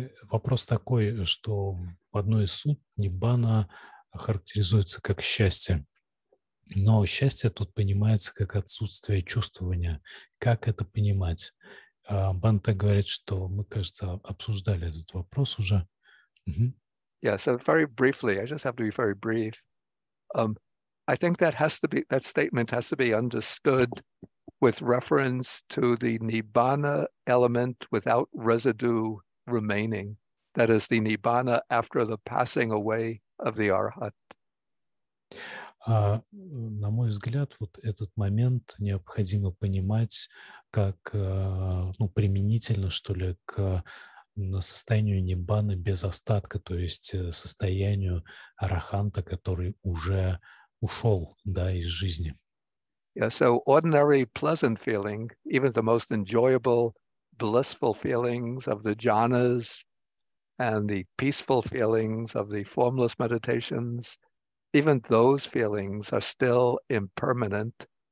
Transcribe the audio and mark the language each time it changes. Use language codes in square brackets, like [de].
[ru] Вопрос такой, что в одной из сут Ниббана характеризуется как счастье. Но счастье тут понимается как отсутствие чувствования. Как это понимать? Банта говорит, что мы, кажется, обсуждали этот вопрос уже. [en] Yeah, so very briefly, I just have to be very brief. I think that statement has to be understood with reference to the Nibbana element without residue remaining. That is the Nibbana after the passing away of the Arhat. [ru] На мой взгляд, вот этот момент необходимо понимать как, ну, применительно, что ли, к состоянию Ниббаны без остатка, то есть состоянию араханта, который уже ушел, да, из жизни. [en] Yeah, so ordinary pleasant feeling, even the most enjoyable, blissful feelings of the jhanas and the peaceful feelings of the formless meditations, even those feelings are still impermanent.